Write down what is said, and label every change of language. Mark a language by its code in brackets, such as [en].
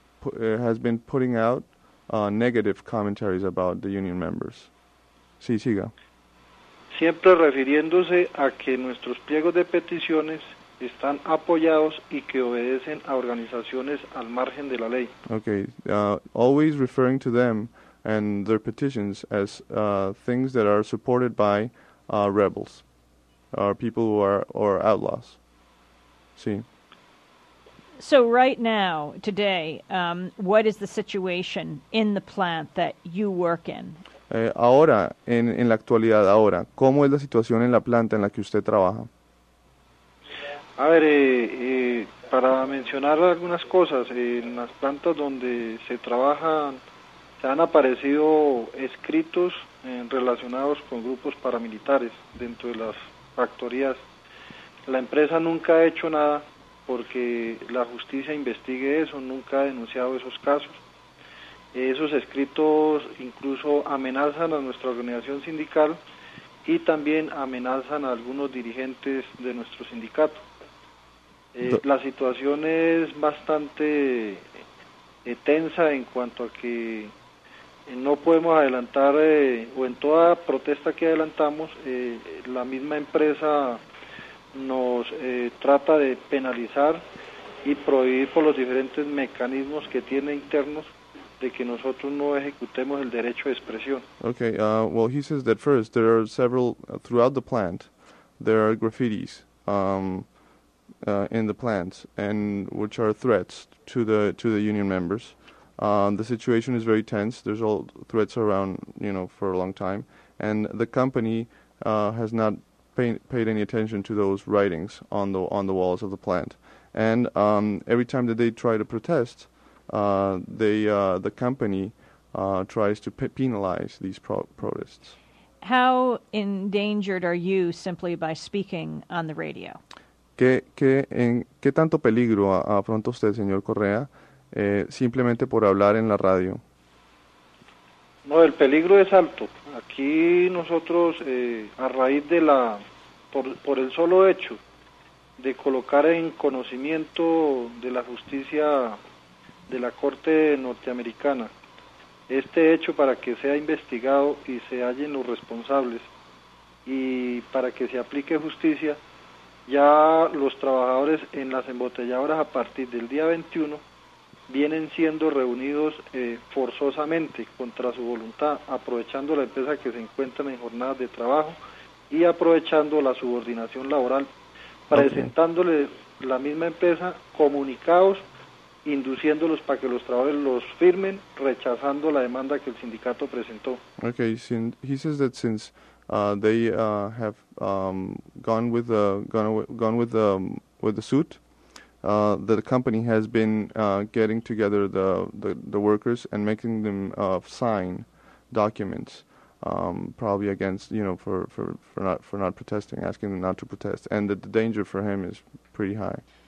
[en] has been putting out negative commentaries about the union members. [es] Sí, siga. Siempre refiriéndose a que nuestros pliegos de peticiones están apoyados y que obedecen a organizaciones al margen de la ley. [en] Okay, always referring to them and their petitions as things that are supported by rebels, or people who are or outlaws. [es] Sí. [en] So right now, today, what is the situation in the plant that you work in? [es] Ahora, en la actualidad, ahora, ¿cómo es la situación en la planta en la que usted trabaja? A ver, para mencionar algunas cosas, en las plantas donde se trabajan, se han aparecido escritos relacionados con grupos paramilitares dentro de las factorías. La empresa nunca ha hecho nada porque la justicia investigue eso, nunca ha denunciado esos casos. Esos escritos incluso amenazan a nuestra organización sindical y también amenazan a algunos dirigentes de nuestro sindicato. La situación es bastante tensa en cuanto a que no podemos adelantar, o en toda protesta que adelantamos, la misma empresa nos trata de penalizar y prohibir por los diferentes mecanismos que tiene internos de que nosotros no ejecutemos el derecho de expresión. [en] Okay, well, he says that first, there are several, throughout the plant, there are graffitis in the plants, and which are threats to the union members. The situation is very tense. There's all threats around, you know, for a long time, and the company has not paid any attention to those writings on the walls of the plant. And every time that they try to protest, the company tries to penalize these protests. How endangered are you simply by speaking on the radio? [es] ¿Qué tanto peligro afronta usted, señor Correa, simplemente por hablar en la radio? No, el peligro es alto. Aquí nosotros, a raíz de la... Por el solo hecho de colocar en conocimiento de la justicia de la Corte Norteamericana este hecho para que sea investigado y se hallen los responsables y para que se aplique justicia, ya los trabajadores en las embotelladoras a partir del día 21 vienen siendo reunidos forzosamente contra su voluntad, aprovechando la empresa que se encuentra en jornadas de trabajo y aprovechando la subordinación laboral, presentándole la misma empresa comunicados, induciéndolos para que los trabajadores los firmen, rechazando la demanda que el sindicato presentó. [en] Okay, he says that since they have gone with the suit. The company has been getting together the workers and making them sign documents, probably against, you know, for not protesting, asking them not to protest, and that the danger for him is pretty high.